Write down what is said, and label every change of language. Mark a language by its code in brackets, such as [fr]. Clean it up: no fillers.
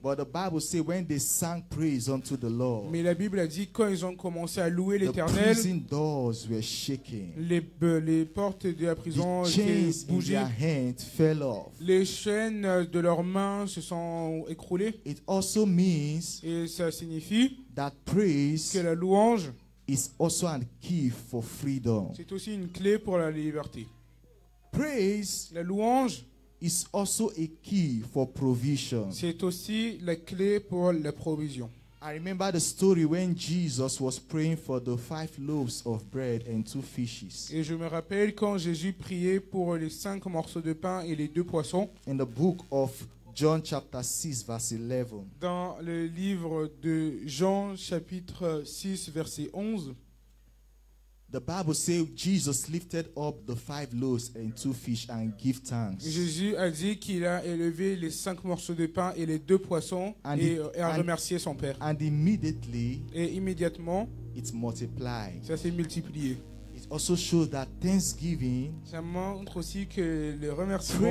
[en] But the Bible says when they sang praise unto the Lord, [fr] mais la Bible a dit quand ils ont commencé à louer l'Éternel, [en] the prison doors were shaking. [fr] Les portes de la prison étaient bougées. [en] The chains in their hands fell off. [fr] Les chaînes de leurs mains se sont écroulées. [en] It also means, [fr] et ça signifie, [en] that praise, [fr] que la louange, [en] is also a key for freedom. [fr] C'est aussi une clé pour la liberté. [en] Praise, [fr] la louange, [en] is also a key for provision. [fr] C'est aussi la clé pour la provision. [en] I remember the story when Jesus was praying for the 5 loaves of bread and 2 fishes. [fr] Et je me rappelle quand Jésus priait pour les 5 morceaux de pain et les 2 poissons. [en] In the book of John chapter 6 verse 11. [fr] Dans le livre de Jean chapitre 6 verset 11. [en] The Bible says Jesus lifted up the 5 loaves and 2 fish and gave thanks. [fr] Jésus a dit qu'il a élevé les 5 morceaux de pain et les 2 poissons et a remercié son père. [en] And immediately, [fr] et immédiatement, [en] it multiplied. [fr] Ça s'est multiplié. [en] It also shows that thanksgiving, [fr] ça montre aussi que le remerciement,